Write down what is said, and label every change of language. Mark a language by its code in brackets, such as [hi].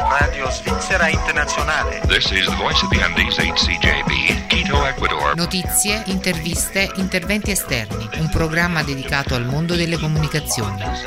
[it] Radio Svizzera Internazionale. [en] This is the voice of the Andes, HCJB, Quito, Ecuador. [it] Notizie, interviste, interventi esterni. Un programma dedicato al mondo delle comunicazioni.